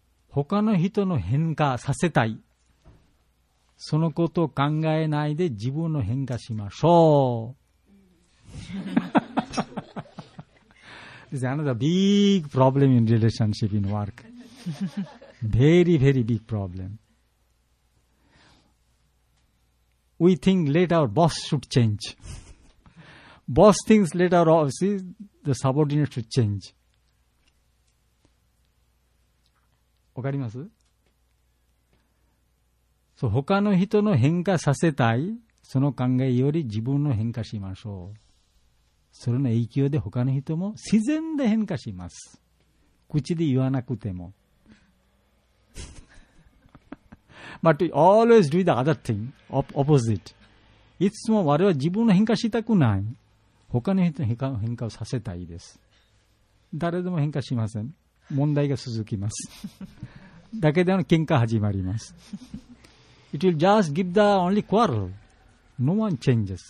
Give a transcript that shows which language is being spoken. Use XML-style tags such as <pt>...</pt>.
<ja>他の人の変化させたい。そのことを考えないで自分の変化しましょう。</ja> <en>This is another big problem in relationship in work. Very, very big problem. We think let our boss should change. Boss thinks let our office, the subordinate should change.</en> <ja>わかります？そう、他の人の変化させたい、その考えより自分の変化しましょう。それの影響で他の人も自然で変化します。口で言わなくても。</ja> <en>But we always do the other thing, opposite.</en> <ja>いつも我々は自分の変化したくない。他の人の変化をさせたいです。誰でも変化しません。問題が続きます。だけで喧嘩始まります。</ja> <en>It will just give the only quarrel. No one changes.</en>